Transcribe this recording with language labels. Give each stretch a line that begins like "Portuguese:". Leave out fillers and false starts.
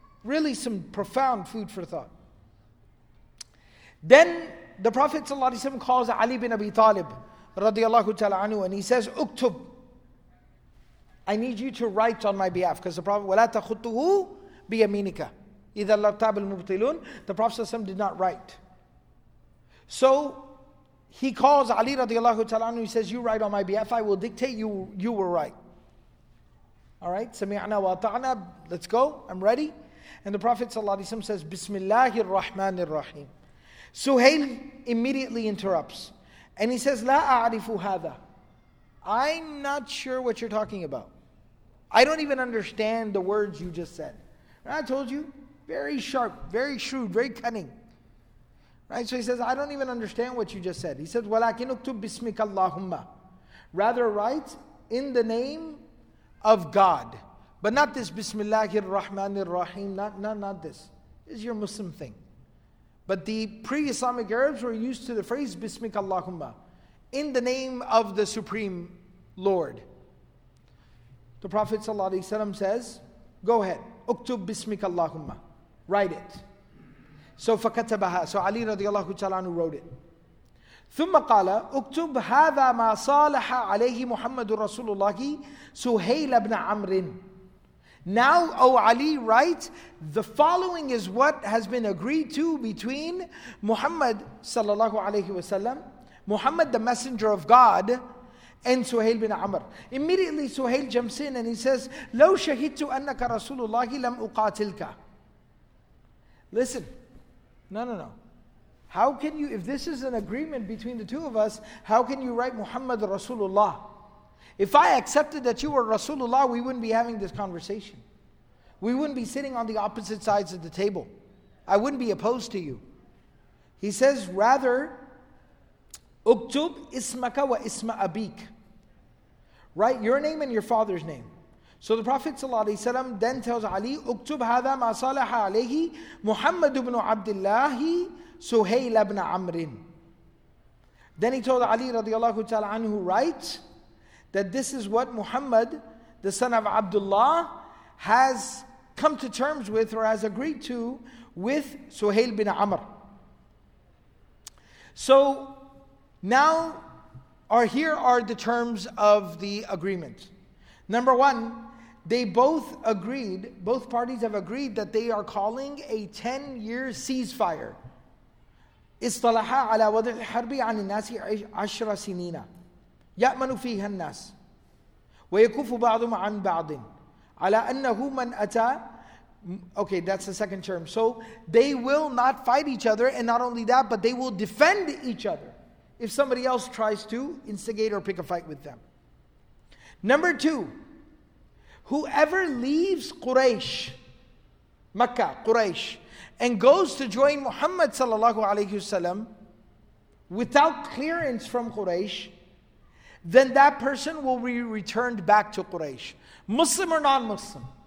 English: Really some profound food for thought. Then the Prophet ﷺ calls Ali bin Abi Talib radiallahu ta'ala anhu and he says, Uktub, I need you to write on my behalf, because the Prophet,
Arabic: وَلَا تَخُطُّهُ بِيَمِينِكَ إِذَا لَرْتَابِ الْمُبْطِلُونَ.
English: The Prophet ﷺ did not write. So he calls Ali radiallahu ta'ala anhu, he says, you write on my behalf, I will dictate, you will write. Alright,
Arabic: سَمِعْنَا وَأَطَعْنَا,
English: let's go, I'm ready. And the Prophet ﷺ says,
Arabic: بِسْمِ اللَّهِ الرَّحْمَنِ الرَّحِيمِ.
English: Suhail immediately interrupts and he says,
Arabic: La a'rifu hadha.
English: I'm not sure what you're talking about. I don't even understand the words you just said. And I told you, very sharp, very shrewd, very cunning. Right? So he says, I don't even understand what you just said. He says,
Arabic: Walakin uktub bismika Allahumma.
English: Rather write in the name of God. But not this Bismillahir Rahmanir Rahim. Not this. This is your Muslim thing. But the pre-Islamic Arabs were used to the phrase Bismika Allahumma, in the name of the Supreme Lord. The Prophet ﷺ says, go ahead,
Arabic: uktub Bismika Allahumma,
English: write it. So fakatabaha, so Ali radiallahu ta'ala anhu wrote it.
Arabic: ثم قال اكتب هذا ما صالح عليه محمد رسول الله سهيل بن عمرو.
English: Now O Ali writes, the following is what has been agreed to between Muhammad صلى الله عليه وسلم, Muhammad the messenger of God, and Suhail bin Amr. Immediately Suhail jumps in and he says,
Arabic: لو شهدت أنك رسول الله لم أقاتلك.
English: Listen, no. How can you, if this is an agreement between the two of us, how can you write Muhammad Rasulullah? If I accepted that you were Rasulullah, we wouldn't be having this conversation. We wouldn't be sitting on the opposite sides of the table. I wouldn't be opposed to you. He says, rather,
Arabic: اكتب اسمك واسم أبيك.
English: Write your name and your father's name. So the Prophet ﷺ then tells Ali,
Arabic: اكتب هذا ما صالح عليه محمد بن عبد الله سهيل بن عمرو.
English: Then he told Ali radiallahu ta'ala anhu, write that this is what Muhammad, the son of Abdullah, has come to terms with or has agreed to with Suhail bin Amr. So now, here are the terms of the agreement. Number one, they both agreed, both parties have agreed that they are calling a 10-year ceasefire.
Arabic: اصطلحا على وضع الحرب عن الناس عشر سنين يأمن فيها الناس ويكف بعضهم عن بعض على أنه من أتى.
English: Okay, that's the second term. So they will not fight each other, and not only that, but they will defend each other if somebody else tries to instigate or pick a fight with them. Number two, whoever leaves Quraysh, Mecca, Quraysh, and goes to join Muhammad sallallahu alayhi wasallam without clearance from Quraysh, then that person will be returned back to Quraysh, Muslim or non-Muslim.